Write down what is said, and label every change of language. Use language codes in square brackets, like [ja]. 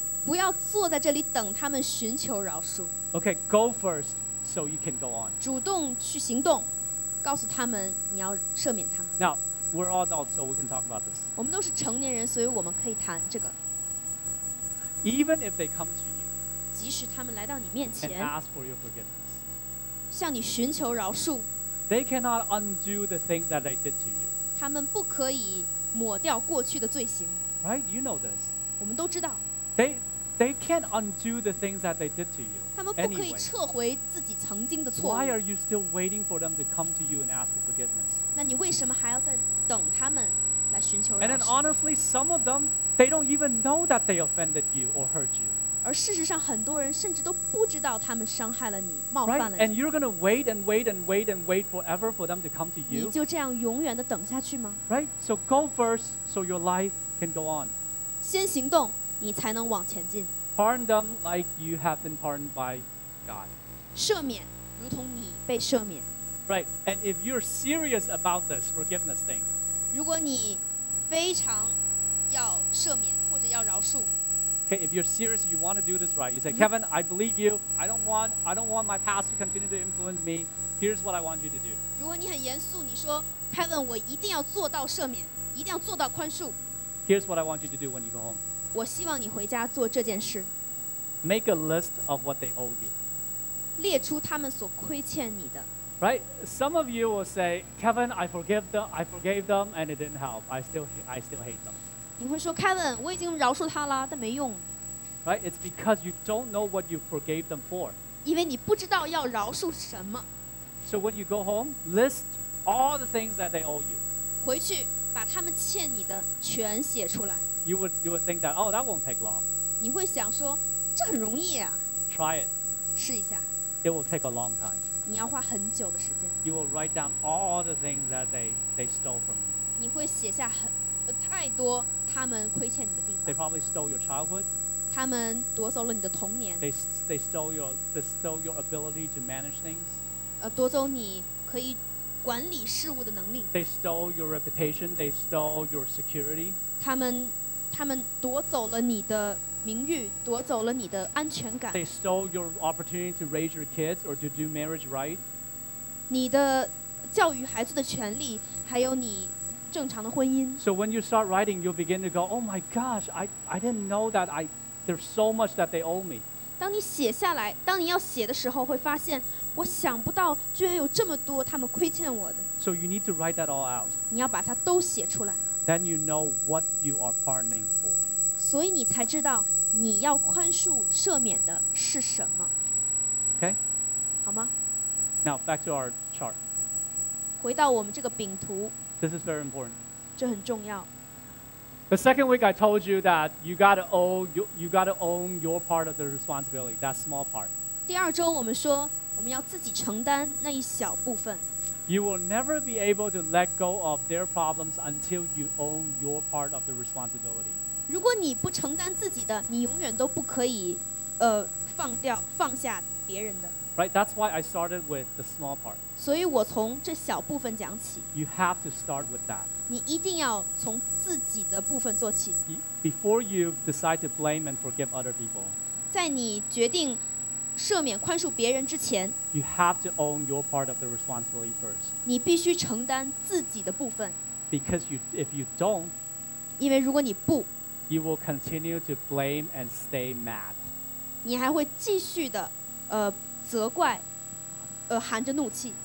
[zh] 不要坐在这里等他们寻求饶恕。 [en] Okay, go first. So you can go on. [zh] 主动去行动，告诉他们你要赦免他们。 [en] Now we're all adults, so we can talk about this. [zh] 我们都是成年人，所以我们可以谈这个。 [en] Even if they come to you, [zh] 即使他们来到你面前 [en] and ask for your forgiveness, [zh] 向你寻求饶恕 [en] they cannot undo the things that they did to you. [zh] 他们不可以抹掉过去的罪行。 [en] Right? You know this. [zh] 我们都知道。 [en] They can't undo the things that they did to you. [zh] 他们不可以撤回自己曾经的错误。 [en] Why are you still waiting for them to come to you and ask for forgiveness? [zh] 那你为什么还要再等他们来寻求饶恕？ [en] And then honestly, some of them, they don't even know that they offended you or hurt you. [zh] 而事实上，很多人甚至都不知道他们伤害了你，冒犯了你。 [en] Right? And you're going to wait forever for them to come to you? [zh] 你就这样永远地等下去吗？ [en] Right? So go first, so your life can go on. [zh] 先行动。你才能往前进。 [en] Pardon them like you have been pardoned by God. [zh] 赦免，如同你被赦免。 [en] Right, and if you're serious about this forgiveness thing, [zh] 如果你非常要赦免或者要饶恕。 [en] Okay, if you're serious, you want to do this right. You say, Kevin, I believe you. I don't want my past to continue to influence me. Here's what I want you to do. [zh] 如果你很严肃，你说 ，Kevin， 我一定要做到赦免，一定要做到宽恕。 [en] Here's what I want you to do when you go home. [zh] 我希望你回家做这件事。 [en] Make a list of what they owe you. [zh] 列出他们所亏欠你的。 [en] Right? Some of you will say, Kevin, I forgave them, and it didn't help. I still hate them. [zh] 你会说 ，Kevin， 我已经饶恕他了，但没用。 [en] Right? It's because you don't know what you forgave them for. [zh] 因为你不知道要饶恕什么。 [en] So when you go home, list all the things that they owe you. [zh] 回去把他们欠你的全写出来。 [en] You would think that, oh, that won't take long. [zh] 你会想说，这很容易啊。 [en] Try it. [zh] 试一下。 [en] It will take a long time. [zh] 你要花很久的时间。 [en] You will write down all the things that they stole from you. [zh] 你会写下太多他们亏欠你的地方。 [en] They probably stole your childhood. [zh] 他们夺走了你的童年。 [en] They stole your ability to manage things. [zh] 夺走你可以管理事物的能力。 [en] They stole your reputation. They stole your security. [zh] 他们夺走了你的名誉，夺走了你的安全感。 [en] They stole your opportunity to raise your kids or to do marriage right. [zh] 你的教育孩子的权利，还有你正常的婚姻。 [en] So when you start writing, you begin to go, oh my gosh, I didn't know that I, there's so much that they owe me. [zh] 当你写下来，当你要写的时候，会发现我想不到居然有这么多他们亏欠我的。 [en] So you need to write that all out. [zh] 你要把它都写出来。 [en] Then you know what you are pardoning for. [zh] 所以你才知道你要宽恕赦免的是什么。 [en] Okay. [zh] 好吗？ [en] Now back to our chart. [zh] 回到我们这个饼图。 [en] This is very important. [zh] 这很重要。 [en] The second week I told you that you got to owe you got to own your part of the responsibility, that small part. [zh] 第二周我们说我们要自己承担那一小部分。 [en] You will never be able to let go of their problems until you own your part of the responsibility. [zh] 如果你不承担自己的，你永远都不可以，放掉放下别人的。 [en] Right, that's why I started with the small part. [zh] 所以我从这小部分讲起。 [en] You have to start with that. [zh] 你一定要从自己的部分做起。 [en] Before you decide to blame and forgive other people. [zh] 在你决定赦免宽恕别人之前， [en] you have to own your part of the responsibility first. [zh] 你必须承担自己的部分。 [en] Because you, if you don't, [zh] 因为如果你不， [en] you will continue to blame and stay mad. [zh] 你还会继续的，责怪，含着怒气。